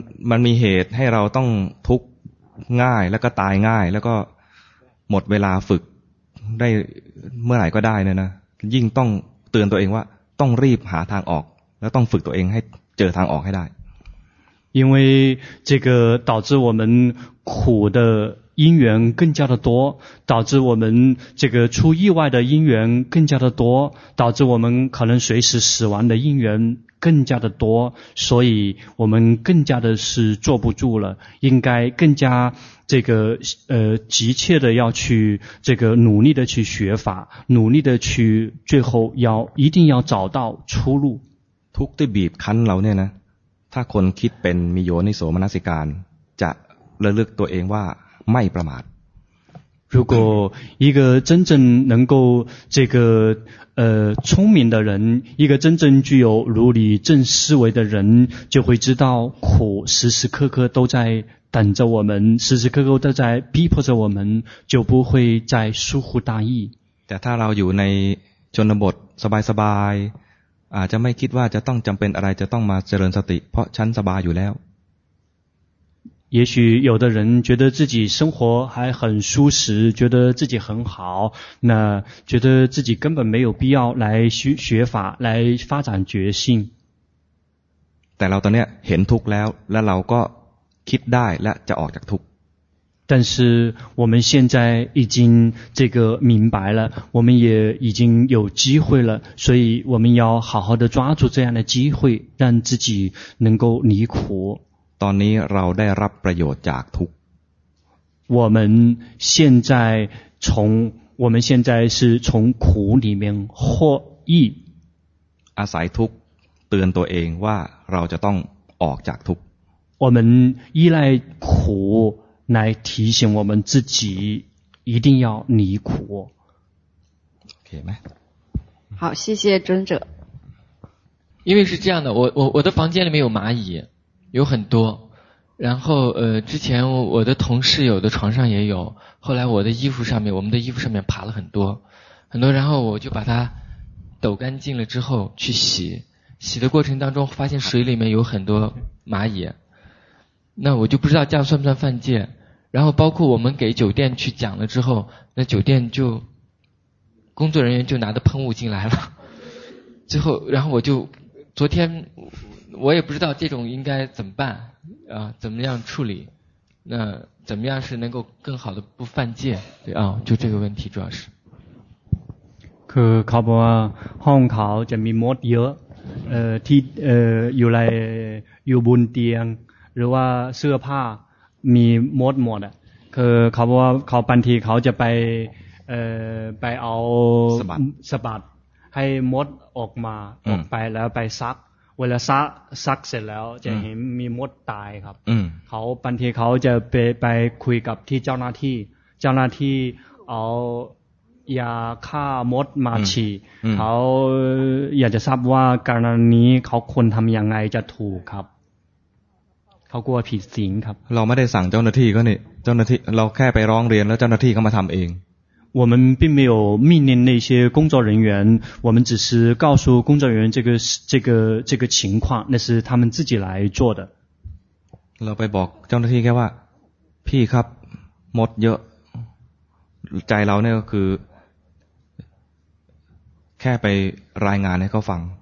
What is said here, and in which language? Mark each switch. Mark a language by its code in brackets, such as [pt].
[th] มันมีเหตุให้เราต้องทุกข์ง่ายแล้วก็ตายง่ายแล้วก็หมดเวลาฝึกได้เมื่อไหร่ก็ได้นะยิ่งต้องเตือนตัวเองว่าต้องรีบหาทางออกแล้วต้องฝึกตัวเองให้เจอทางออกให้ได้ [zh] 因为这个导致我们苦的因缘更加的多导致我们这个出意外的因缘更加的多导致我们可能随时死亡的因缘更加的多所以我们更加的是坐不住了应该更加这个急切的要去这个努力的去学法努力的去最后要一定要找到出路 [th] ทุกข์ที่บีบคั้นเราเนี่ยนะถ้าคนคิดเป็นมีโยนิโสมนสิการจะระลึกตัวเองว่าไม่ประมาท [zh] 如果一个真正能够这个聪明的人，一个真正具有如理正思维的人，就会知道苦时时刻刻都在等着我们，时时刻刻都在逼迫着我们，就不会再疏忽大意。 [th] แต่ถ้าเราอยู่ในชนบทสบายสบายอาจจะไม่คิดว่าจะต้องจำเป็นอะไรจะต้องมาเจริญสติเพราะฉันสบายอยู่แล้ว [zh] 也许有的人觉得自己生活还很舒适，觉得自己很好，那觉得自己根本没有必要来学法，来发展觉性。 [th] แต่เราตอนนี้เห็นทุกข์แล้วและเราก็คิดได้และจะออกจากทุกข์ [zh] 但是我们现在已经这个明白了，我们也已经有机会了，所以我们要好好的抓住这样的机会，让自己能够离苦。 [th] ตอนนี้เราได้รับประโยชน์จากทุกข์ [zh] 我们现在从我们现在是从苦里面获益。 [th] อาศัยทุกข์เตือนตัวเองว่าเราจะต้องออกจากทุกข์ [zh] 我们依赖苦来提醒我们自己一定要离苦。可以吗？好，谢谢尊者。因为是这样的，我的房间里面有蚂蚁，有很多。然后之前我的同事有的床上也有，后来我们的衣服上面爬了很多很多，然后我就把它抖干净了之后去洗，洗的过程当中发现水里面有很多蚂蚁。那我就不知道这样算不算犯戒，然后包括我们给酒店去讲了之后，那酒店就工作人员就拿着喷雾进来了，最后然后我就昨天我也不知道这种应该怎么办啊，怎么样处理，那怎么样是能够更好的不犯戒，对啊，就这个问题主要是 [th] คือเขาบอกว่าห้องเขาจะมีมดเยอะที่อยู่ในอยู่บนเตียงหรือว่าเสื้อผ้ามีมดหมดอ่ะคือเขาบอกว่าเขาบางทีเขาจะไปเอา สบัดให้มดออกมาออกไปแล้วไปซักเวลาซักเสร็จแล้วจะเห็นมีมดตายครับเขาบางทีเขาจะไปคุยกับที่เจ้าหน้าที่เอายาฆ่ามดมาฉีเขาอยากจะทราบว่าการนี้เขาควรทำยังไงจะถูกครับเขากลัวผิดศีลครับ เราไม่ได้สั่งเจ้าหน้าที่ก็นี่เจ้าหน้าที่เราแค่ไปร้องเรียนแล้วเจ้าหน้าที่เขามาทำเอง [zh] 我们并没有命令那些工作人员，我们只是告诉工作人员这个情况，那是他们自己来做的。 [th] เราไปบอกเจ้าหน้าที่แค่ว่าพี่ครับมดเยอะใจเราเนี่ยก็คือแค่ไปรายงานให้เขาฟัง